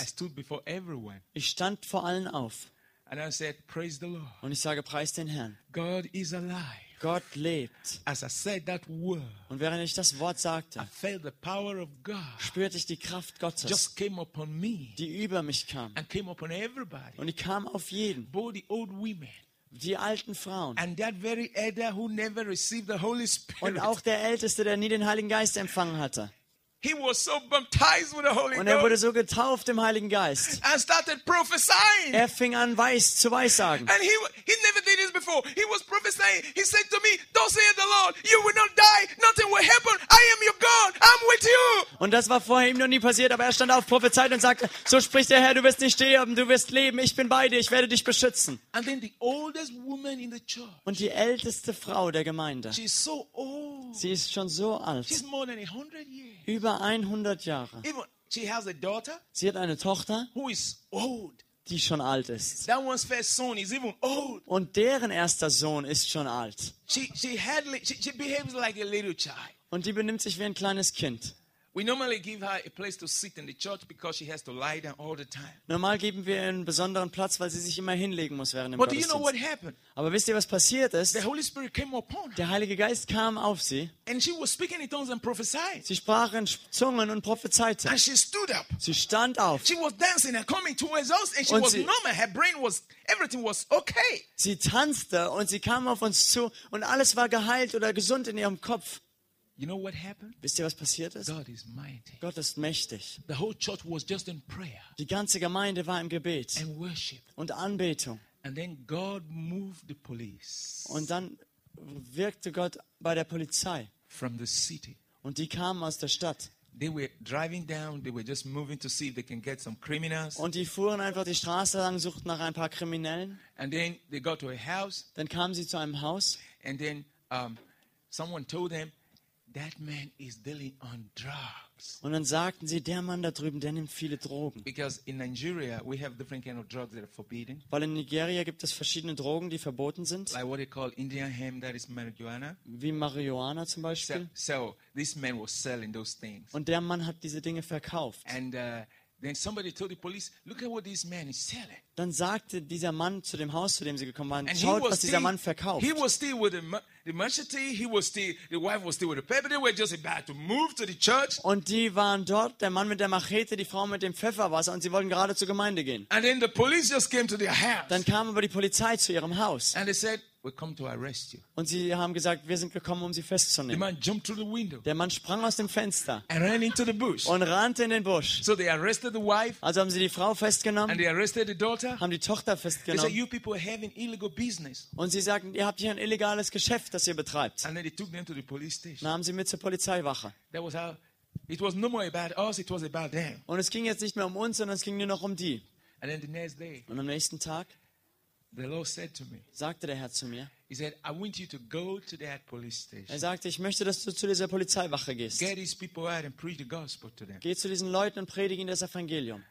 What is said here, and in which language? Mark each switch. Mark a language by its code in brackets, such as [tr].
[en] I stood before everyone. [de] Ich stand vor allen auf. [en] And I said, praise the Lord. [de] Und ich sage, preis den Herrn. [en] God is alive. [de] Gott lebt. [en] As I said that word. [de] Und während ich das Wort sagte, [en] I felt the power of God. [de] Spürte ich die Kraft Gottes. [en] Just came upon me. [de] Die über mich kam. [en] And came upon everybody. [de] Und ich kam auf jeden. [en] Both the old women. [de] Die alten Frauen. [en] And that very elder who never received the Holy Spirit. [de] Und auch der Älteste, der nie den Heiligen Geist empfangen hatte. [en] He was so baptized with the Holy Ghost. [de] Und er wurde so getauft im Heiligen Geist. [en] And started prophesying. [de] Er fing an, zu weissagen. [en] And he never did this before. He was prophesying. He said to me, "Thus saith the Lord, you will not die. Nothing will happen. I am your God. I'm with you." [de] Und das war vorher ihm noch nie passiert, aber er stand auf, prophezeit und sagte, so spricht der Herr, du wirst nicht sterben, du wirst leben, ich bin bei dir, ich werde dich beschützen. [en] And then the oldest woman in the church, [de] und die älteste Frau der Gemeinde, [en] she is so old. [de] Sie ist schon so alt, [en] she's more than 100 years. [de] Über 100 Jahre. [en] Even, she has a daughter, [de] sie hat eine Tochter, [en] who is old. [de] Die schon alt ist. [en] That one's first son is even old. [de] Und deren erster Sohn ist schon alt. [en] She behaves like a little child. [de] Und die benimmt sich wie ein kleines Kind. [en] We normally give her a place to sit in the church because she has to lie down all the time. [de] Normal geben wir ihr einen besonderen Platz, weil sie sich immer hinlegen muss während dem But Gottesdienst. [en] But do you know what happened? [de] Aber wisst ihr, was passiert ist? [en] The Holy Spirit came upon her. [de] Der Heilige Geist kam auf sie. [en] And she was speaking in tongues and prophesied. [de] Sie sprach in Zungen und prophezeite. [en] And she stood up. [de] Sie stand auf. [en] She was dancing and coming towards us, and she was normal. Her brain was everything was okay. [de] Sie tanzte und sie kam auf uns zu und alles war geheilt oder gesund in ihrem Kopf. [en] You know what happened? [de] Wisst ihr, was passiert ist? [en] God is mighty. [de] Gott ist mächtig. [en] The whole church was just in prayer. [de] Die ganze Gemeinde war im Gebet [en] and worship. [de] Und Anbetung. [en] And then God moved the police. [de] Und dann wirkte Gott bei der Polizei. [en] From the city. [de] Und die kamen aus der Stadt. [en] They were driving down, they were just moving to see if they can get some criminals. [de] Und die fuhren einfach die Straße lang, suchten nach ein paar Kriminellen. [en] And then they got to a house. [de] Dann kamen sie zu einem Haus. [en] And then someone told them, that man is dealing on drugs. [de] Und dann sagten sie, der Mann da drüben, der nimmt viele Drogen. [en] Because in Nigeria we have different kind of drugs that are forbidden. [de] Weil in Nigeria gibt es verschiedene Drogen, die verboten sind. [en] Like what they call Indian hemp, that is marijuana. [de] Wie Marihuana zum Beispiel. [en] So this man was selling those things. [de] Und der Mann hat diese Dinge verkauft. [en] And then somebody told the police, look at what this man is selling. [de] Dann sagte dieser Mann zu dem Haus, zu dem sie gekommen waren, schaut, was dieser Mann verkauft. [en] He was still with the machete, the wife was still with the pepper, they were just about to move to the church. [de] Und die waren dort, der Mann mit der Machete, die Frau mit dem Pfefferwasser, und sie wollten gerade zur Gemeinde gehen. [en] And then the police just came to their house. [de] Dann kam aber die Polizei zu ihrem Haus. [en] And they said, we come to arrest you. [de] Und sie haben gesagt, wir sind gekommen, um sie festzunehmen. [en] The man jumped through the window. [de] Der Mann sprang aus dem Fenster. [en] And ran into the bush. [de] Und rannte in den Busch. [en] So they arrested the wife. [de] Also haben sie die Frau festgenommen. [en] And they arrested the daughter. [de] Haben die Tochter festgenommen. [en] They said, you people are having illegal business. [de] Und sie sagten, ihr habt hier ein illegales Geschäft, das ihr betreibt. [en] And then they took them to the police station. [de] Dann haben sie mit zur Polizeiwache. [en] That was how, it was no more about us, it was about them. [de] Und es ging jetzt nicht mehr um uns, sondern es ging nur noch um die. [en] And then the next day, [de] und am nächsten Tag, [en] the Lord said to me, [de] sagte der Herr zu mir, [en] he said, I want you to go to that police station. [de] Er sagte, ich möchte, dass du zu dieser Polizeiwache gehst. [en] Get these people out and preach the gospel to them. [de] Geh zu diesen Leuten und predige ihnen das Evangelium.